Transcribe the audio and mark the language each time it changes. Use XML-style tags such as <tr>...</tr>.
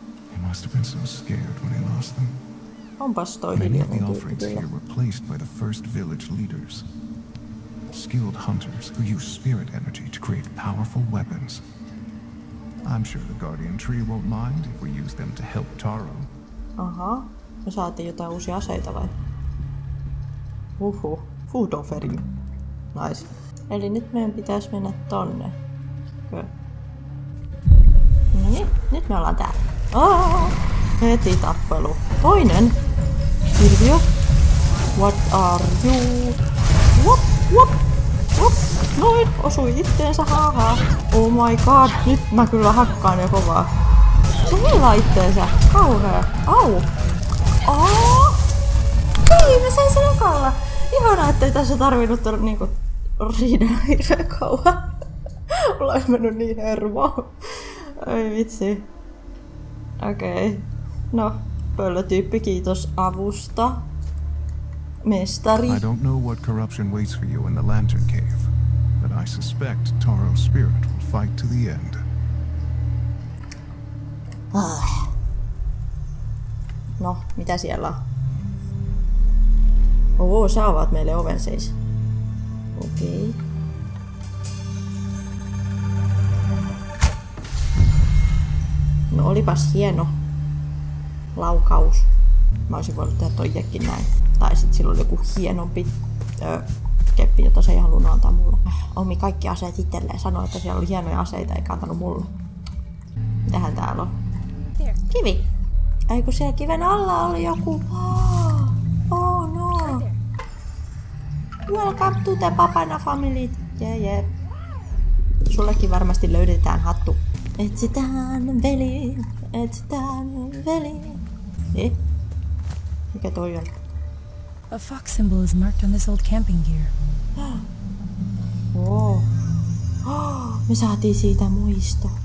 <en>He must have been so scared when he lost them.</en> <fi>Onpas toi hiljainen.</fi> <en>Many of the offerings here were placed by the first village leaders. Skilled hunters who use spirit energy to create powerful weapons. I'm sure the guardian tree won't mind if we use them to help Taro. Aha.</en> <fi>Me saatiin jotain uusia aseita vai? Uhuh.</fi> <en>Food offering. Nice.</en> <fi>Eli nyt meidän pitäisi mennä tonne. Niin, nyt me ollaan täällä. Aaaa! Heti tappelu. Toinen! Hirviö!</fi> <en>What are you? Wop, wop, wop! Noin!</en> <fi>Osui itteensä, haha!</fi> <en>Oh my god!</en> <fi>Nyt mä kyllä hakkaan jo kovaa. Se heilaa itteensä! Kauhea! Au! Aaaa! Hei, mä sain sen akalla! Ihanaa, ettei tässä tarvinnut olla niinku... Riidellä hirveän kauan. Mulla olisi mennyt niin hermoon. Ai vitsi. Okei. No, pöllötyyppi, kiitos avusta. Mestari.</fi> <en>I don't know what corruption waits for you in the Lantern Cave, but I suspect Taro's spirit will fight to the end.</en> <fi>No, mitä siellä on? Oho, sä avaat meille oven seis. Okei. No olipas hieno laukaus. Mä olisin voinut tehdä ton jekin näin. Tai sit sillä oli joku hienompi keppi, jota se ei halunnut antaa mulle. Omi kaikki aseet itselleen. Sanoi, että siellä oli hienoja aseita, eikä antanut mulle. Mitähän täällä on? Kivi! Eiku siellä kiven alla oli joku?</fi> <en>Oh no! Welcome to the Papana family! Jee jee.</en> <fi>Sullekin varmasti löydetään hattu. Etsitään veli, etsitään veli. Eh? Mikä toi on?</fi> <en>A fox symbol is marked on this old camping gear. Oh.</en> <fi>Oh, me saatiin siitä muisto.</fi>